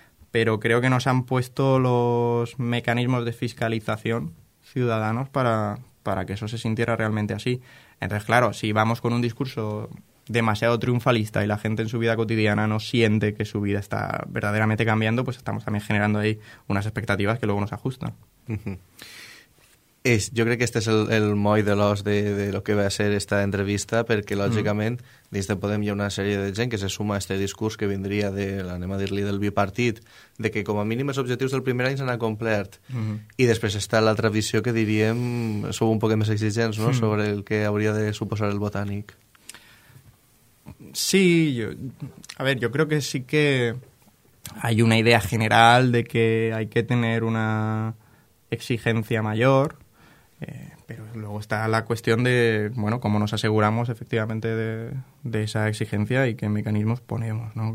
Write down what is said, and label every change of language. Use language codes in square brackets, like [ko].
[es] Pero creo que no se han puesto los mecanismos de fiscalización ciudadanos para que eso se sintiera realmente así. Entonces, claro, si vamos con un discurso demasiado triunfalista y la gente en su vida cotidiana no siente que su vida está verdaderamente cambiando, pues estamos también generando ahí unas expectativas que luego no se ajustan. [ca] Jo crec que este és el moll de l'os de lo que va ser esta entrevista, perquè lògicament dins de Podem hi ha una sèrie de gent que se suma a este discurs que vindria de, anem a dir-li, del bipartit, de que com a mínim els objectius del primer any s'han acomplert. I després està l'altra visió que diríem sou un poc més exigents, no? Sobre el que hauria de suposar el Botànic. Sí, jo crec que sí que hi ha una idea general de que [es] hay que tener una exigencia mayor, pero luego está la cuestión de, bueno, cómo nos aseguramos efectivamente de esa exigencia y qué mecanismos ponemos, ¿no?